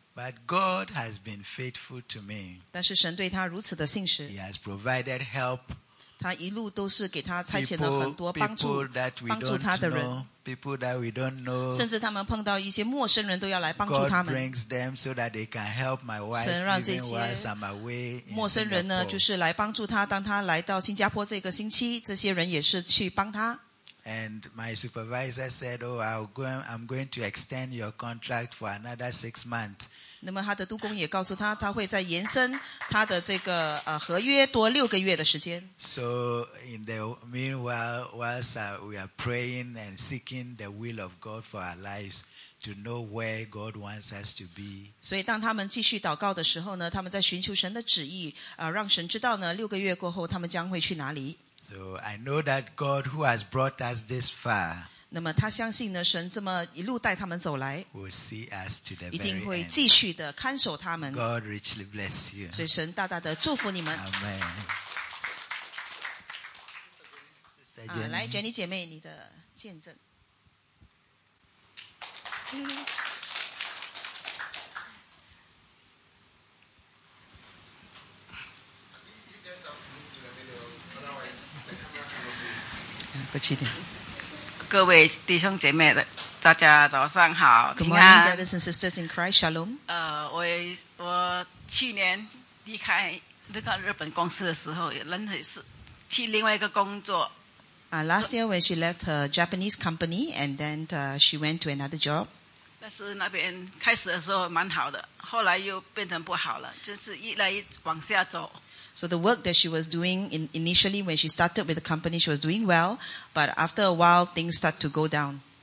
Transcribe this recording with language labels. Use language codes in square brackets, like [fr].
[en] But God has been faithful to me. [zh] 但是神对他如此的信实。 [en] He has provided help. [zh] 他一路都是给他差遣了很多帮助，帮助他的人。 [en] People that we don't know. [zh] 甚至他们碰到一些陌生人都要来帮助他们。 [en] God brings them so that they can help my wife. [zh] 神让这些陌生人呢，就是来帮助他。当他来到新加坡这个星期，这些人也是去帮他。 [en] And my supervisor said, "Oh, I'm going to extend your contract for another 6 months." [zh] 那么他的督工也告诉他，他会再延伸他的这个合约多6个月的时间。 [en] So in the meanwhile, whilst we are praying and seeking the will of God for our lives, to know where God wants us to be. [zh] 所以当他们继续祷告的时候呢，他们在寻求神的旨意，让神知道呢，6个月过后他们将会去哪里。 [en] So I know that God who has brought us this far. [zh] 那么他相信呢，神这么一路带他们走来， [en] will see us to the very end. [zh] 一定会继续的看守他们。 [en] God richly bless you. [zh] 所以神大大的祝福你们。 [en] Amen. [zh] Sister Jenny. 来 ，Jenny 姐妹，你的见证。不起点，各位弟兄姐妹的，大家早上好。 [en] Good morning, brothers and sisters in Christ. Shalom. [zh] 我去年离开那个日本公司的时候，人也是去另外一个工作。 [en] Last year when she left her Japanese company and then she went to another job. [zh] 但是那边开始的时候蛮好的，后来又变成不好了，就是一来往下走。 [en] So the work that she was doing initially when she started with the company, she was doing well, but after a while, things start to go down.